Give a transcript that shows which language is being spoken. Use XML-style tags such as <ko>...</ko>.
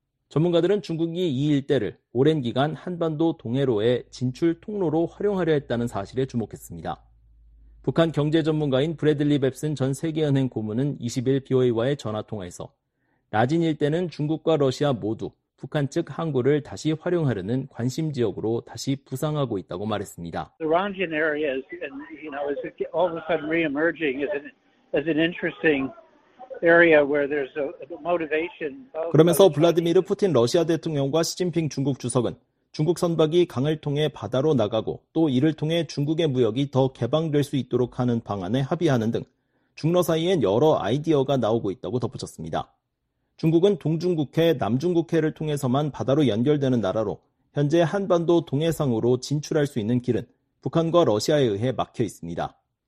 <ko>전문가들은 중국이 이 일대를 오랜 기간 한반도 동해로의 진출 통로로 활용하려 했다는 사실에 주목했습니다. 북한 경제 전문가인 브래들리 뱁슨 전 세계은행 고문은 20일 BOA와의 전화통화에서 라진 일대는 중국과 러시아 모두 북한 측 항구를 다시 활용하려는 관심 지역으로 다시 부상하고 있다고 말했습니다.</ko> <en>The Ranjin area is, is all of a sudden re-emerging as an interesting area where there's a motivation.</en> <ko>그러면서 블라디미르 푸틴 러시아 대통령과 시진핑 중국 주석은 중국 선박이 강을 통해 바다로 나가고 또 이를 통해 중국의 무역이 더 개방될 수 있도록 하는 방안에 합의하는 등 중러 사이엔 여러 아이디어가 나오고 있다고 덧붙였습니다. 중국은 동중국해, 남중국해를 통해서만 바다로 연결되는 나라로 현재 한반도 동해상으로 진출할 수 있는 길은 북한과 러시아에 의해 막혀 있습니다.</ko>